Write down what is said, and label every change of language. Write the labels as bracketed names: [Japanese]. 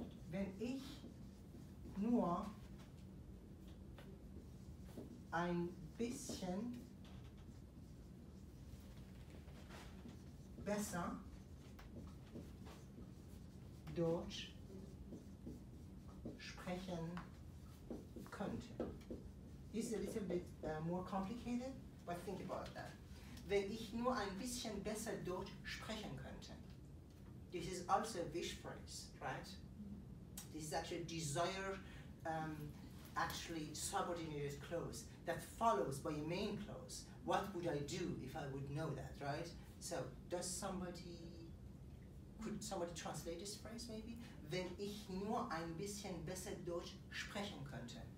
[German] Wenn ich nur ein bisschen besser Deutsch sprechen könnte. You [English] This is a little bit more complicated, but think about that. [German] Wenn ich nur ein bisschen besser Deutsch sprechen könnte. [English] This is also a wish phrase, right? This is actually a desire, actually subordinated clause that follows by a main clause. What would I do if I would know that, right? So, does somebody, could somebody translate this phrase maybe? [German] Wenn ich nur ein bisschen besser Deutsch sprechen könnte.